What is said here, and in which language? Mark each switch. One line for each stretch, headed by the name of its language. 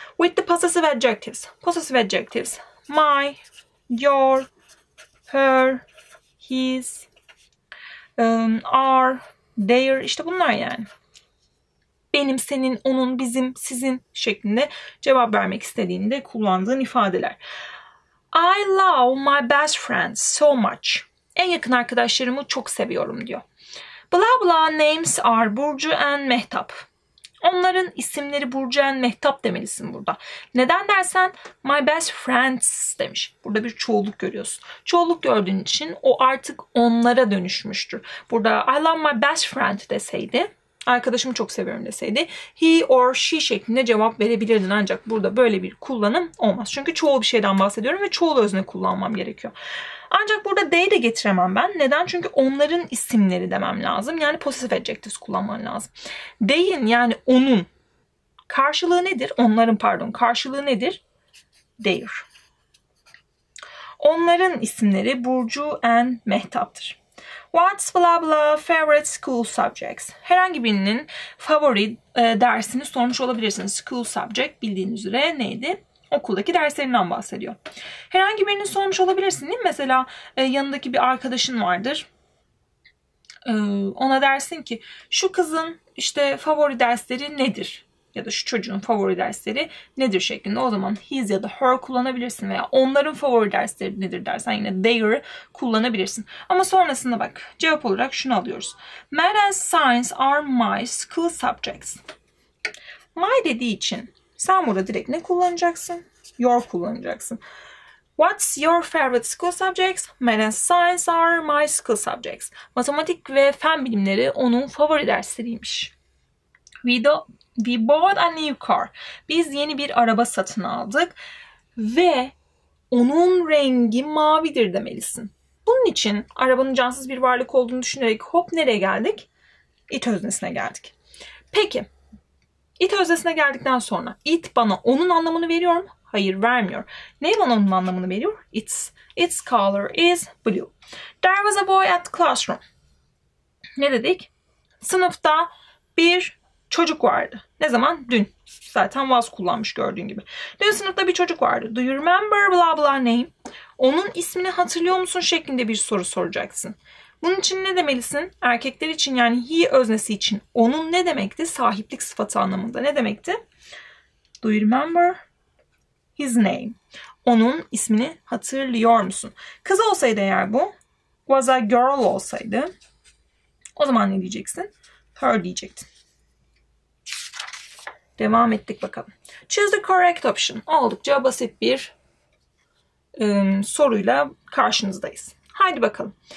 English: With the possessive adjectives. Possessive adjectives. My, your, her, his, our, their.
Turkish: İşte bunlar yani. Benim, senin, onun, bizim, sizin şeklinde cevap vermek istediğinde kullandığın ifadeler.
English: I love my best friends so much.
Turkish: En yakın arkadaşlarımı çok seviyorum diyor.
English: Blah blah names are Burcu and Mehtap.
Turkish: Onların isimleri Burcu and Mehtap demelisin burada. Neden dersen
English: my best friends
Turkish: demiş. Burada bir çoğulluk görüyorsun. Çoğulluk gördüğün için o artık onlara dönüşmüştür. Burada
English: I love my best friend
Turkish: deseydi, arkadaşımı çok seviyorum deseydi, he or she şeklinde cevap verebilirdin. Ancak burada böyle bir kullanım olmaz. Çünkü çoğul bir şeyden bahsediyorum ve çoğul özne kullanmam gerekiyor. Ancak burada they de getiremem ben. Neden? Çünkü onların isimleri demem lazım. Yani possessive adjectives kullanman lazım. They'in yani onun karşılığı nedir? Onların pardon karşılığı nedir? Their. Onların isimleri Burcu and Mehtap'tır.
English: What's blah blah favorite school subjects?
Turkish: Herhangi birinin favori dersini sormuş olabilirsiniz. School subject bildiğiniz üzere neydi? Okuldaki derslerinden bahsediyor. Herhangi birini sormuş olabilirsin değil mi? Mesela yanındaki bir arkadaşın vardır. Ona dersin ki şu kızın işte favori dersleri nedir? Ya da şu çocuğun favori dersleri nedir şeklinde. O zaman his ya da her kullanabilirsin. Veya onların favori dersleri nedir dersen yine their kullanabilirsin. Ama sonrasında bak cevap olarak şunu alıyoruz.
English: Math and science are my school subjects.
Turkish: My dediği için sen burada direkt ne kullanacaksın? Your kullanacaksın.
English: What's your favorite school subjects? Math and science are my school subjects.
Turkish: Matematik ve fen bilimleri onun favori dersleriymiş.
English: We bought a new car.
Turkish: Biz yeni bir araba satın aldık. Ve onun rengi mavidir demelisin. Bunun için arabanın cansız bir varlık olduğunu düşünerek hop nereye geldik? It öznesine geldik. Peki. It öznesine geldikten sonra it bana onun anlamını veriyor mu? Hayır vermiyor. Ne bana onun anlamını veriyor?
English: It's. Its color is blue. There was a boy at the classroom.
Turkish: Ne dedik? Sınıfta bir çocuk vardı. Ne zaman? Dün. Zaten was kullanmış gördüğün gibi. Dün sınıfta bir çocuk vardı.
English: Do you remember blah blah name?
Turkish: Onun ismini hatırlıyor musun şeklinde bir soru soracaksın. Bunun için ne demelisin? Erkekler için yani he öznesi için onun ne demekti? Sahiplik sıfatı anlamında ne demekti?
English: Do you remember his name?
Turkish: Onun ismini hatırlıyor musun? Kız olsaydı eğer bu,
English: was a girl
Turkish: olsaydı o zaman ne diyeceksin? Her diyecektin. Devam ettik bakalım.
English: Choose the correct option.
Turkish: Oldukça basit bir soruyla karşınızdayız. Haydi bakalım.